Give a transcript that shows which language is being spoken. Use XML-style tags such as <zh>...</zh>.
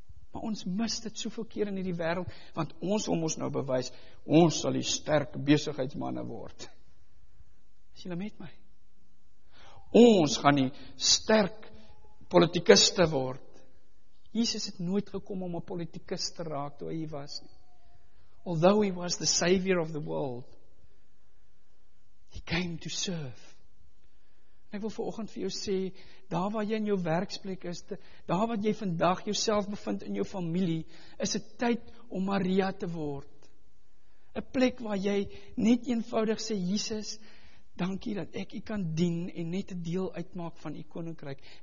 <af>Maar ons mis dit soveel keer in hierdie wêreld, want ons om ons nou bewys, ons sal die sterk besigheidsmanne word. Is julle met my? Ons gaan die sterk politikuste word. Jesus het nooit gekom om 'n politikus te raak toe hy hier was nie.</af> <en>Although he was the savior of the world, he came to serve.</en> <af>En ek wil vanoggend vir jou sê, daar waar jy in jou werksplek is, daar waar jy vandag jouself bevind in jou familie, is dit tyd om Maria te word. 'N plek waar jy net eenvoudig sê, Jesus, dankie dat ek u kan dien en net 'n deel uitmaak van u koninkryk.</af>